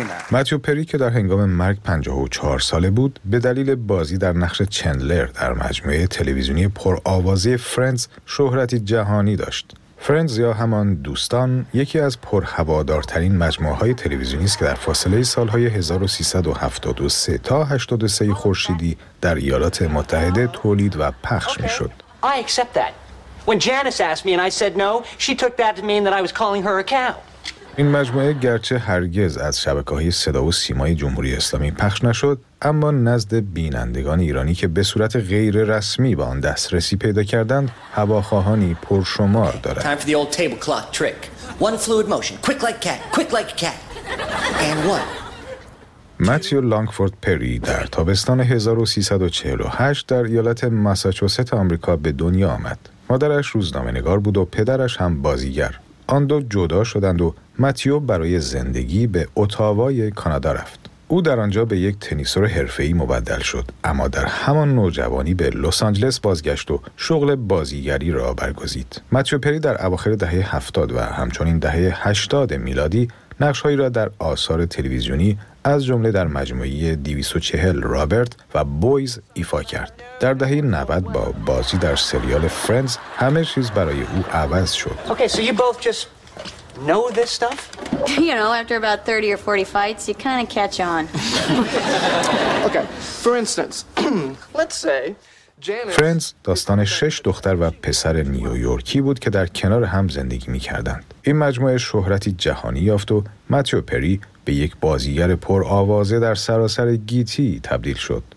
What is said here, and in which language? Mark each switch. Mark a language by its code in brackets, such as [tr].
[fa] متیو پری که در هنگام مرگ 54 ساله بود به دلیل بازی در نقش چندلر در مجموعه تلویزیونی پرآوازه فرندز شهرتی جهانی داشت. فرندز یا همان دوستان یکی از پرهوادارترین مجموعه‌های تلویزیونی است که در فاصله سال‌های 1373 تا 83 خورشیدی در ایالات متحده تولید و پخش می‌شد. [en] I accept that. When Janice asked me and I said no, she took that to mean that I was calling her a cow. [fa] این مجموعه گرچه هرگز از شبکه‌های صدا و سیمای جمهوری اسلامی پخش نشد، اما نزد بینندگان ایرانی که به صورت غیر رسمی با آن دسترسی پیدا کردند، هواخواهانی پرشمار دارد. [en] Time for the old table clock trick. One fluid motion, quick like cat, quick like cat. And one. [fa] متیو لانگفورد پری در تابستان 1348 در ایالت ماساچوست آمریکا به دنیا آمد. مادرش روزنامه‌نگار بود و پدرش هم بازیگر. آن دو جدا شدند و متیو برای زندگی به اتاوای کانادا رفت. او در آنجا به یک تنیسور حرفه‌ای مبدل شد، اما در همان نوجوانی به لس آنجلس بازگشت و شغل بازیگری را برگزید. متیو پری در اواخر دهه 70 و همچنین دهه 80 میلادی نقش‌هایی را در آثار تلویزیونی از جمله در مجموعه 240 رابرت و بویز ایفا کرد. در دهه 90 با بازی در سریال فرندز همه چیز برای او عوض شد. [en] Okay, so you both just know this stuff? You know, after about 30 or 40 fights, you kind of catch on. Okay. For instance, let's say [fa] فرندز داستان شش دختر و پسر نیویورکی بود که در کنار هم زندگی می کردند. این مجموعه شهرتی جهانی یافت و متیو پری به یک بازیگر پرآوازه در سراسر گیتی تبدیل شد.